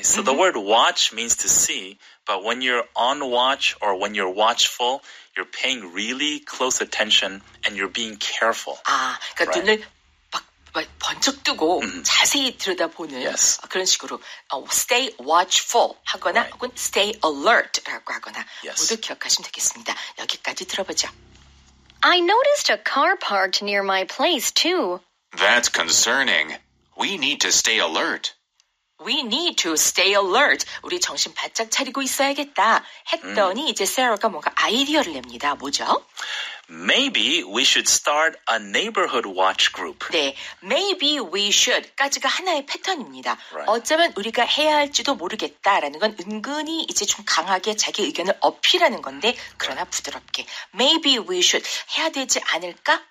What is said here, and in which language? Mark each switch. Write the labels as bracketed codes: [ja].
[en] So mm-hmm. the word watch means to see, but when you're on watch or when you're watchful, you're paying really close attention and you're being careful. [ko] 아, 그러니까 right? 눈을 막 번쩍 뜨고 자세히 들여다보는 [en] yes. [ko] 그런 식으로 [en] stay watchful [ko] 하거나 right. 혹은 [en] stay alert [ko] 라고 하거나 [en] yes. [ko] 모두 기억하시면 되겠습니다. 여기까지 들어보죠. [en] I noticed a car parked near my place too. That's concerning. We need to stay alert. We need to stay alert. [ko] 우리 정신 바짝 차리고 있어야겠다. 했더니 이제 세라가 뭔가 아이디어를 냅니다. 뭐죠? [en] Maybe we should start a neighborhood watch group. [ko] 네, [en] maybe we should [ko] 까지가 하나의 패턴입니다. [en] Right. [ko] 어쩌면 우리가 해야 할지도 모르겠다라는 건 은근히 이제 좀 강하게 자기 의견을 어필하는 건데 그러나 부드럽게 [en] maybe we should [ko] 해야 되지 않을까?